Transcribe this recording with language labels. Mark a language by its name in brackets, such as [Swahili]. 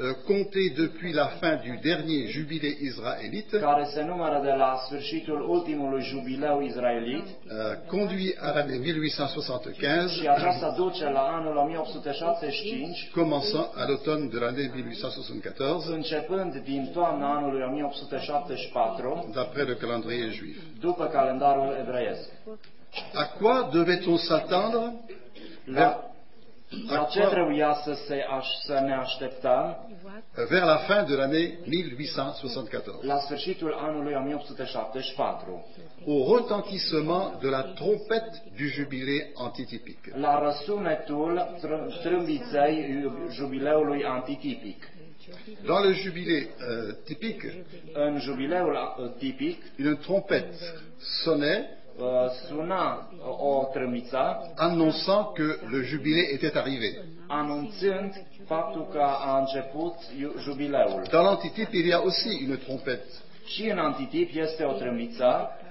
[French] Compté depuis la fin du dernier jubilé israélite. [Romanian] Care se numără de la sfârșitul ultimului jubileu israelit. [French] Conduit à l'année 1875. [Romanian] Și aceasta duce la anul 1875. [French] Commençant à l'automne de l'année 1874. [Romanian] Începând din toamna anului 1874. [French] D'après le calendrier juif. [Romanian] După calendarul evreiesc. [French] À quoi devait-on s'attendre? [Romanian] La ce trebuia să ne așteptăm? [French] Vers la fin de l'année 1874. [Romanian] La sfârșitul anului 1874. [French] Au retentissement de la trompette du jubilé antitipic. [Romanian] La răsunetul trâmbiței jubileului antitipic. [French] Dans le jubilé typique, [Romanian] un jubileu tipic, [French] une trompette sonnait. [Romanian] Suna o trâmbiță [French] annonçant que le jubilé était arrivé. [Romanian] Anunțând faptul că a început jubileul. [French] Dans l'antitype, il y a aussi une trompette. [Romanian] Și în antitip este o trâmbiță.